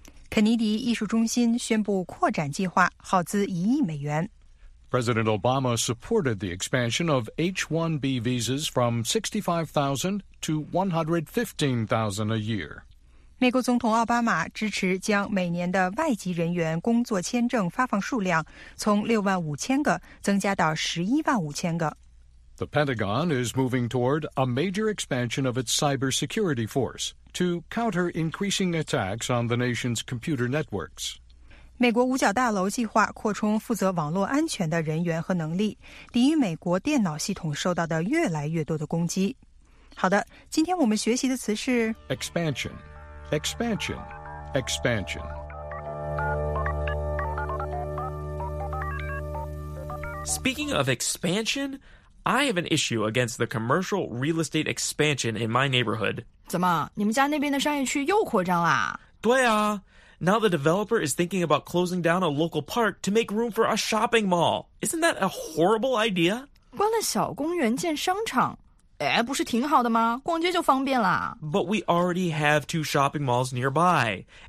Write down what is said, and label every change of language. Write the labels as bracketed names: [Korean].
[Chinese] 肯尼迪艺术中心宣布扩展计划，耗资$100 million。 [English] President Obama supported the expansion of H-1B visas from 65,000 to 115,000 a year. [Chinese] 美国总统奥巴马支持将每年的外籍人员工作签证发放数量从65,000个增加到115,000个。 [English] The Pentagon is moving toward a major expansion of its cybersecurity force to counter increasing attacks on the nation's computer networks. [Chinese] 美国五角大楼计划扩充负责网络安全的人员和能力，抵御美国电脑系统受到的越来越多的攻击。好的，今天我们学习的词是 [English] expansion, expansion, expansion. 。Speaking of expansion,I have an issue against the commercial real estate expansion in my neighborhood. [Chinese] 怎么？你们家那边的商业区又扩张啦？对啊。 [English] Now the developer is thinking about closing down a local park to make room for a shopping mall. Isn't that a horrible idea? [Chinese] 关了小公园建商场，哎，不是挺好的吗？逛街就方便啦。 [English] But we already have two shopping malls nearby.